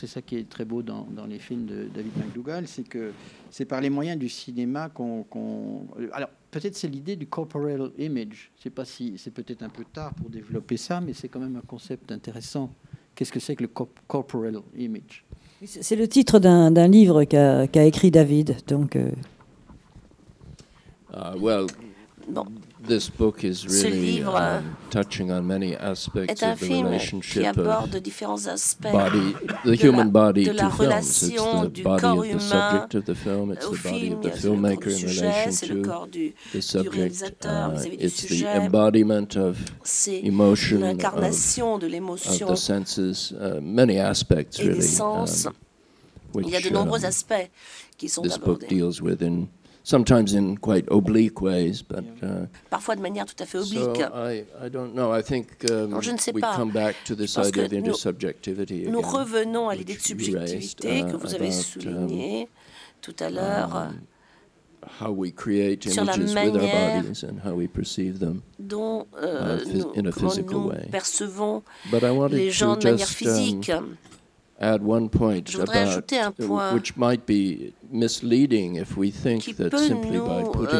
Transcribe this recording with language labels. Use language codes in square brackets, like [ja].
[fr] C'est ça qui est très beau dans les films de David MacDougall. C'est que c'est par les moyens du cinéma qu'on... Alors, peut-être c'est l'idée du corporeal image. Je sais pas si c'est peut-être un peu tard pour développer ça, mais c'est quand même un concept intéressant. Qu'est-ce que c'est que le corporeal image? C'est le titre d'un livre qu'a écrit David. Donc, [en] well, [fr] non. [en] This book is really touching on many aspects of the relationship [fr] qui aborde différents aspects de la relation du corps humain au film, [en] the film, it's the body of the filmmaker in relation to the subject, [fr] du réalisateur vis-à-vis du sujet, [en] it's the embodiment of emotion, [fr] c'est l'incarnation de l'émotion, [en] of the senses, many aspects really, [fr] il y a de nombreux aspects qui sont [en] this [fr] abordés. [en] Book deals with in sometimes in quite oblique ways, but [fr] parfois de manière tout à fait oblique. [en] So I don't know. I think we come back to this idea of intersubjectivity. [fr] Nous revenons à l'idée de subjectivité que vous avez soulignée tout à l'heure. [en] How we create images with our bodies and how we perceive them in a physical way. [fr] Nous percevons les gens de manière physique. [en] Add one point about which might be misleading if we think that simply by putting